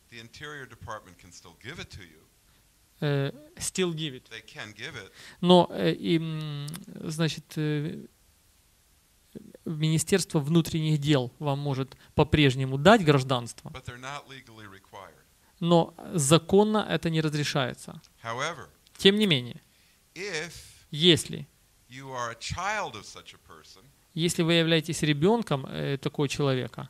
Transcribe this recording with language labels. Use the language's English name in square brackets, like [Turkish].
[English] The Interior Department can still give it to you. Still give it. They can give it. [Russian] Но, Министерство внутренних дел вам может по-прежнему дать гражданство. [English] But they're not legally required. [Russian] Но законно это не разрешается. [English] However, [Russian] тем не менее, [English] if [Russian] если [English] you are a child of such a person, [Russian] если вы являетесь ребенком такого человека,